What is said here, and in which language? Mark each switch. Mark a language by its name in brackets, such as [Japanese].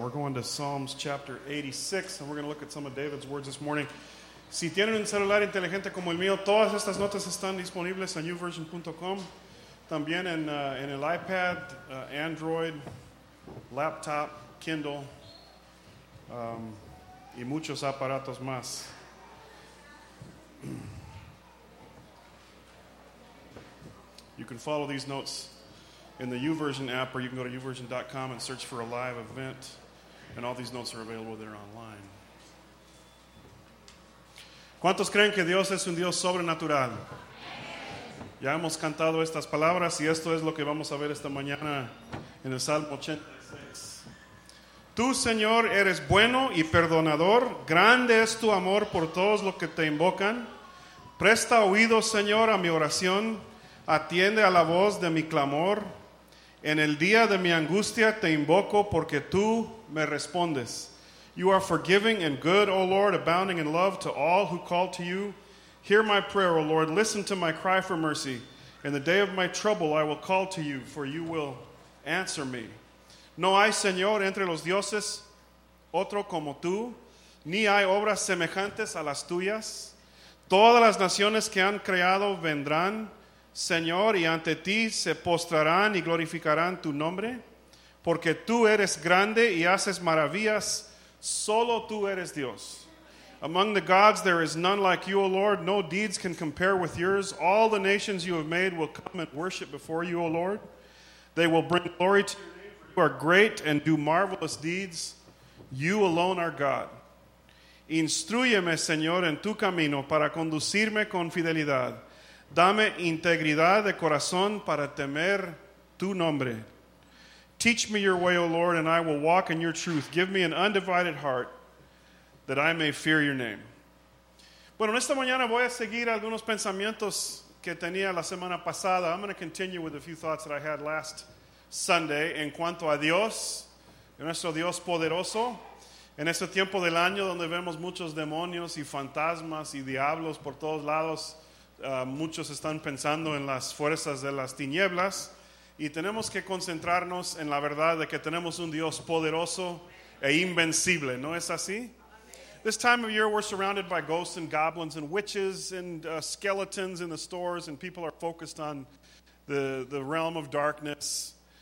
[English] We're going to Psalms chapter 86, and we're going to look at some of David's words this morning. [Spanish] Si tienen un celular inteligente como el mío, todas estas notas están disponibles en newversion.com. También en el iPad, Android, laptop, Kindle, y muchos aparatos más. [English] You can follow these notes in the YouVersion app, or you can go to YouVersion.com and search for a live event. And all these notes are available there online. [Spanish] ¿Cuántos creen que Dios es un Dios sobrenatural? Ya hemos cantado estas palabras, y esto es lo que vamos a ver esta mañana en el Salmo 86. Tú, Señor, eres bueno y perdonador. Grande es tu amor por todos los que te invocan. Presta oído, Señor, a mi oración. Atiende a la voz de mi clamor. En el día de mi angustia te invoco porque tú me respondes. [English] You are forgiving and good, O Lord, abounding in love to all who call to you. Hear my prayer, O Lord. Listen to my cry for mercy. In the day of my trouble I will call to you, for you will answer me. [Spanish] No hay, Señor, entre los dioses otro como tú, ni hay obras semejantes a las tuyas. Todas las naciones que han creado vendrán, Señor, y ante ti se postrarán y glorificarán tu nombre, porque tú eres grande y haces maravillas. Solo tú eres Dios. [English] Among the gods there is none like you, O Lord. No deeds can compare with yours. All the nations you have made will come and worship before you, O Lord. They will bring glory to your name, for you are great and do marvelous deeds. You alone are God. [Spanish] Instruyeme, Señor, en tu camino para conducirme con fidelidad. Dame integridad de corazón para temer tu nombre. [English] Teach me your way, O Lord, and I will walk in your truth. Give me an undivided heart that I may fear your name. [Spanish] Bueno, esta mañana voy a seguir algunos pensamientos que tenía la semana pasada. [English] I'm going to continue with a few thoughts that I had last Sunday [Spanish] en cuanto a Dios, nuestro Dios poderoso. En este tiempo del año donde vemos muchos demonios y fantasmas y diablos por todos lados, muchos están pensando en las fuerzas de las tinieblas, y tenemos que concentrarnos en la verdad de que tenemos un Dios poderoso e invencible, ¿no es así? [English] This time of year we're surrounded by ghosts and goblins and witches and skeletons in the stores, and people are focused on the realm of darkness.